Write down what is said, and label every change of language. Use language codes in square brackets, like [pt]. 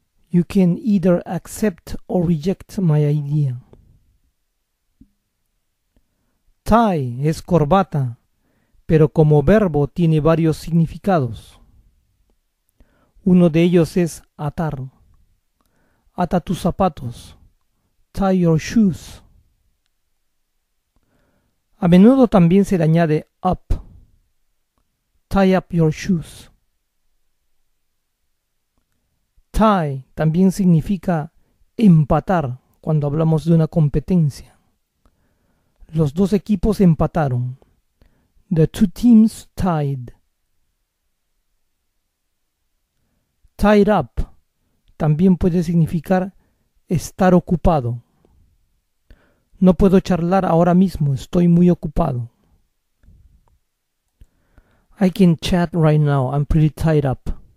[en] You can either accept or reject my idea. [es] Tie es corbata, pero como verbo tiene varios significados. Uno de ellos es atar. Ata tus zapatos. [en] Tie your shoes. [es] A menudo también se le añade up. [en] Tie up your shoes. [es] Tie también significa empatar cuando hablamos de una competencia. Los dos equipos empataron. [en] The two teams tied. [es] Tied up también puede significar estar ocupado. No puedo charlar ahora mismo, estoy muy ocupado. [en] I can chat right now, I'm pretty tied up.